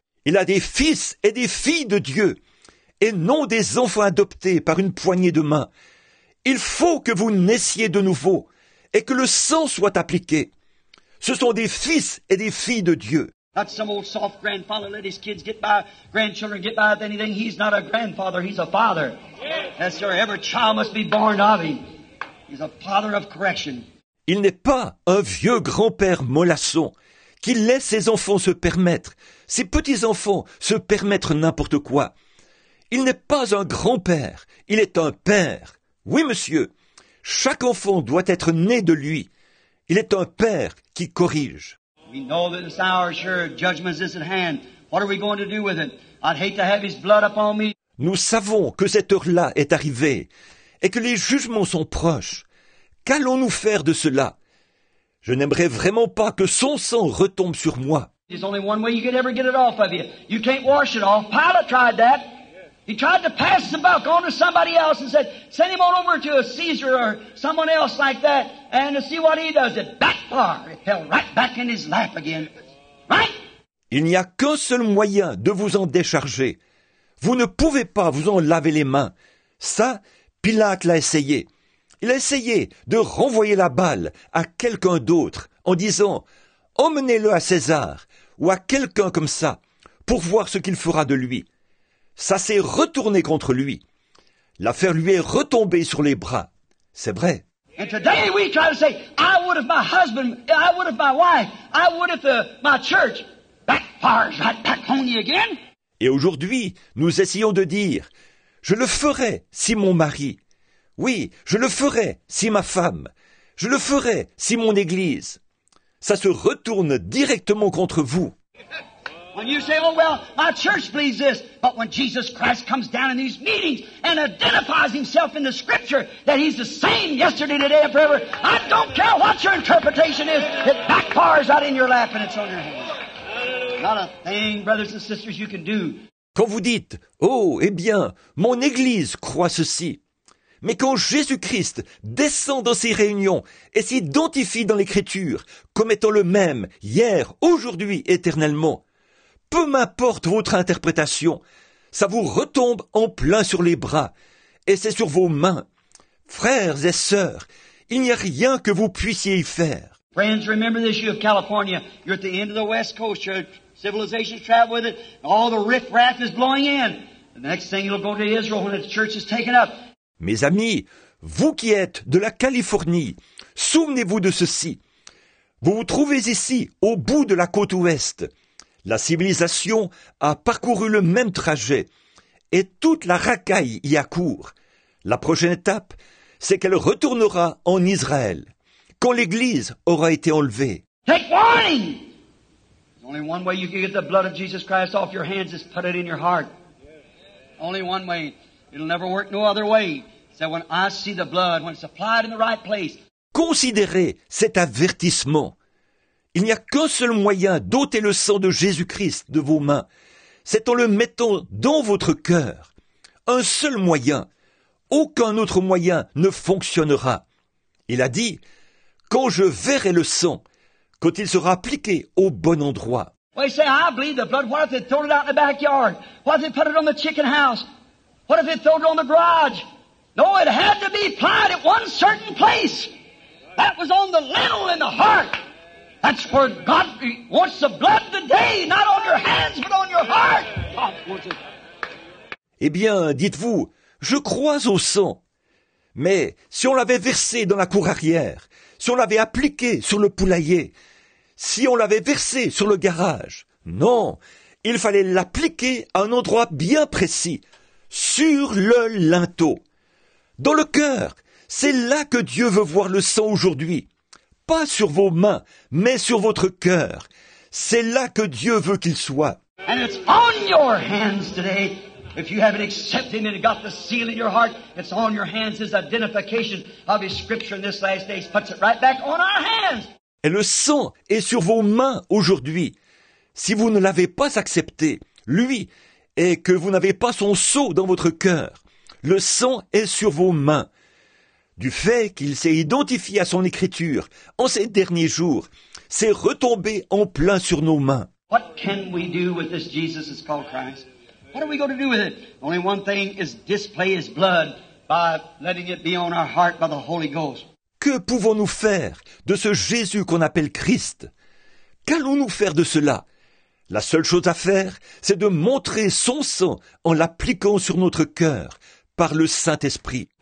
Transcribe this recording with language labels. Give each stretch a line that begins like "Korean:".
French: Il a des fils et des filles de Dieu, et non des enfants adoptés par une poignée de main. Il faut que vous naissiez de nouveau, et que le sang soit appliqué. Ce sont des fils et des filles de Dieu.
English: That's some old soft grandfather. Let his kids get by, grandchildren get by with anything. He's not a grandfather, he's a father. Yes, sir, every child must be born of him. He's a father of correction.
French: Il n'est pas un vieux grand-père mollasson qui laisse ses enfants se permettre, ses petits-enfants se permettre n'importe quoi. Il n'est pas un grand-père, il est un père. Oui, monsieur, chaque enfant doit être né de lui. Il est un père qui corrige.
English: We know that this hour, sure, judgment is at hand. What are we going to do with it? I'd hate to have his blood upon me.
French: Nous savons que cette heure-là est arrivée et que les jugements sont proches. Qu'allons-nous faire de cela? Je n'aimerais vraiment pas que son sang retombe sur moi.
English: There's only one way you could ever get it off of you. You can't wash it off. Pilate tried that. He tried to pass the buck on to somebody else and said, send him on over to a Caesar or someone else like that and to see what he does. It backfired. It fell right back in his lap again. Right?
French: Il n'y a qu'un seul moyen de vous en décharger. Vous ne pouvez pas vous en laver les mains. Ça, Pilate l'a essayé. Il a essayé de renvoyer la balle à quelqu'un d'autre en disant « Emmenez-le à César ou à quelqu'un comme ça pour voir ce qu'il fera de lui. » Ça s'est retourné contre lui. L'affaire lui est retombée sur les bras. C'est vrai.
English: And today we try to say, I would if my husband, I would if my wife, I would if my church backfires right back on you again.
French: Et aujourd'hui, nous essayons de dire, je le ferai si mon mari, oui, je le ferai si ma femme, je le ferai si mon église. Ça se retourne directement contre vous.
English: When you say, oh well, my church believes this, but when Jesus Christ comes down in these meetings and identifies himself in the scripture that he's the same yesterday, today, and forever, I don't care what your interpretation is, it backfires out in your lap and it's on your hands. Not a thing, brothers and sisters, you can do.
French: Quand vous dites, oh, eh bien, mon église croit ceci, mais quand Jésus-Christ descend dans ses réunions et s'identifie dans l'Écriture comme étant le même, hier, aujourd'hui, éternellement, peu m'importe votre interprétation, ça vous retombe en plein sur les bras, et c'est sur vos mains. Frères et sœurs, il n'y a rien que vous puissiez y faire.
English: Friends, remember this, you of California, you're at the end of the West Coast, your civilization traveled with it, all the riffraff is blowing in. The next thing, you'll go to Israel when the church is taken up.
French: Mes amis, vous qui êtes de la Californie, souvenez-vous de ceci. Vous vous trouvez ici, au bout de la côte ouest. La civilisation a parcouru le même trajet et toute la racaille y accourt. La prochaine étape, c'est qu'elle retournera en Israël, quand l'Église aura été enlevée.
English: Take warning! There's only one way you can get the blood of Jesus Christ off your hands is put it in your heart. Only one way. It'll never work no other way. So when I see the blood, when it's applied in the right place.
French: Considérez cet avertissement. Il n'y a qu'un seul moyen d'ôter le sang de Jésus-Christ de vos mains. C'est en le mettant dans votre cœur. Un seul moyen. Aucun autre moyen ne fonctionnera. Il a dit, « Quand je verrai le sang, quand il sera appliqué au bon endroit. »
English: Well, you say, I believe the blood. What if they throw it out in the backyard? What if they put it on the chicken house? What if they throw it on the garage? No, it had to be applied at one certain place. That was on the lintel in the heart. That's where God wants the blood today, not on your hands, but on your heart. God wants it.
French: Eh bien, dites-vous, je crois au sang. Mais si on l'avait versé dans la cour arrière, si on l'avait appliqué sur le poulailler, si on l'avait versé sur le garage, non, il fallait l'appliquer à un endroit bien précis, sur le linteau. Dans le cœur, c'est là que Dieu veut voir le sang aujourd'hui. Pas sur vos mains, mais sur votre cœur. C'est là que Dieu veut qu'il soit.
English: And it's on your hands today. If you haven't accepted it and got the seal in your heart, it's on your hands. His identification of his scripture in this last days puts it right back on our hands.
French: Et le sang est sur vos mains aujourd'hui. Si vous ne l'avez pas accepté, lui, et que vous n'avez pas son sceau dans votre cœur, le sang est sur vos mains. Du fait qu'il s'est identifié à son écriture en ces derniers jours, c'est retombé en plein sur nos mains.
English: What can we do with this Jesus is called Christ? What are we going to do with it? Only one thing is display his blood by letting it be on our heart by the Holy Ghost.
French: Que pouvons-nous faire de ce Jésus qu'on appelle Christ? Qu'allons-nous faire de cela? La seule chose à faire, c'est de montrer son sang en l'appliquant sur notre cœur par le Saint-Esprit.